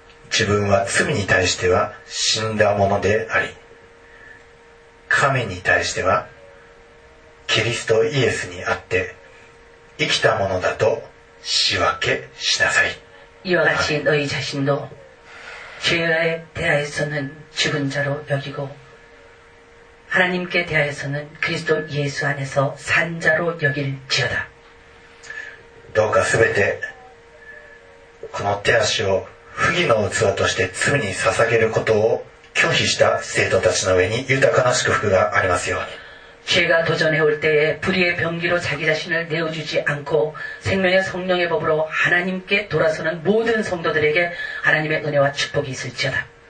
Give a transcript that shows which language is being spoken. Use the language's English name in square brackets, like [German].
[Japanese] 自分は罪に対しては死んだものであり、神に対してはキリストイエスにあって生きたものだと仕分けしなさい。 [Korean] 이와같이너희자신도죄에대하여서는죽은자로여기고하나님께대하여서는그리스도예수안에서산자로여길지어다 [Japanese] どうかすべてこの手足を不義の器として罪に捧げることを拒否した生徒たちの上に豊かな祝福がありますように。 [Korean] 죄가도전해올때에불의의병기로자기자신을내어주지않고생명의성령의법으로하나님께돌아서는모든성도들에게하나님의은혜와축복이있을지어다